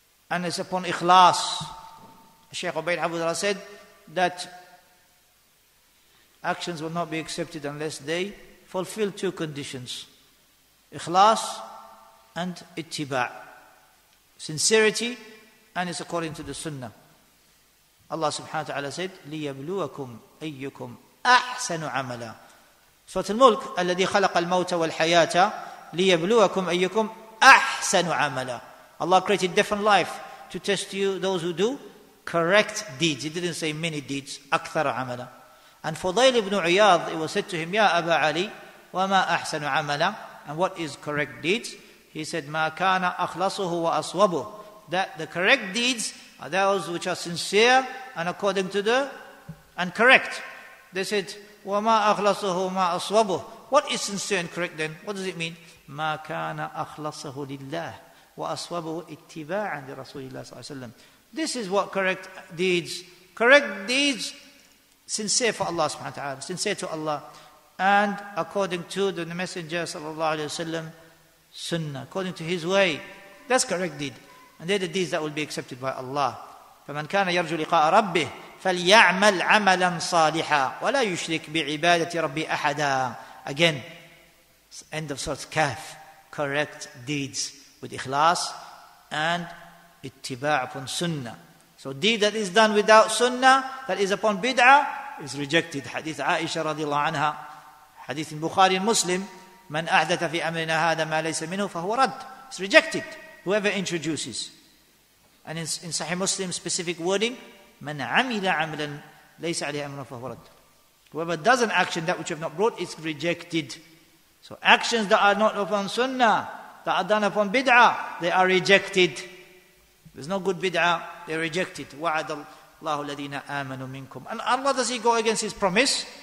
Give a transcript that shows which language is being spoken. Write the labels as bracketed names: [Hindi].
[English] And it's upon ikhlas. Shaykh Ubayd Abdullah said that actions will not be accepted unless they fulfill two conditions. Ikhlas and ittiba'. Sincerity, and it's according to the sunnah. Allah subhanahu wa ta'ala said, [Arabic] لِيَبْلُوَكُمْ أَيُّكُمْ أَحْسَنُ عَمَلًا. Surah Al-Mulk, الَّذِي خَلَقَ الْمَوْتَ وَالْحَيَاةَ لِيَبْلُوَكُمْ أَيُّكُمْ أَحْسَنُ عَمَلًا. [English] Allah created death and life to test you, those who do correct deeds. He didn't say many deeds, [Arabic] أَكْثَرَ عَمَلًا. [English] And Fudayl ibn Iyad, it was said to him, [Arabic] يَا أَبَا عَلِي وَمَا أَحْسَنُ عَمَلًا. [English] And what is correct deeds? He said, [Arabic] مَا كَانَ أَخْلَصُهُ وَأَصْوَبُهُ. [English] That the correct deeds are those which are sincere and according to the, and correct. They said, [Arabic] وَمَا أَخْلَصُهُ مَا أَصْوَبُهُ. [English] What is sincere and correct then? What does it mean? [Arabic] مَا كَانَ أَخْلَصَهُ لِلَّهِ وَأَصْوَبُهُ اتِّبَاعًا لِرَسُولِ اللَّهِ صَلَّى اللَّهُ عَلَيْهِ وَسَلَّمَ. [English] This is what correct deeds. Correct deeds, sincere for Allah subhanahu wa ta'ala, sincere to Allah, and according to the Messenger sallallahu alayhi wa sallam, sunnah, according to his way. That's correct deed. And they're the deeds that will be accepted by Allah. [Arabic] فَمَنْ كَانَ يَرْجُ لِقَاءَ رَبِّهِ فَلْيَعْمَلْ عَمَلًا صَالِحًا وَلَا يُشْرِكْ بِعِبَادَةِ رَبِّي أَحَدًا. [English] Again, end of Surah Kahf. Correct deeds with ikhlas and ittiba' upon sunnah. So deed that is done without sunnah, that is upon bid'ah, is rejected. Hadith Aisha radiallahu anha. Hadith in Bukhari and Muslim. [Arabic] مَنْ أَحْدَثَ فِي أَمْرِنَا هَذَا مَا لَيْسَ مِنْهُ فَهُوَ رَدْ. [English] It's rejected. Whoever introduces. And in Sahih Muslim, specific wording, [Arabic] مَنْ عَمِلَ عَمْلًا لَيْسَ عَلِهَ أَمْرًا فَهُوَ رَدْ. [English] Whoever does an action that which you have not brought, it's rejected. So actions that are not upon sunnah, that are done upon bid'ah, they are rejected. There's no good bid'ah, they're rejected. [Arabic] وَعَدَ اللَّهُ الَّذِينَ آمَنُوا مِنْكُمْ. [English] And Allah, does he go against his promise?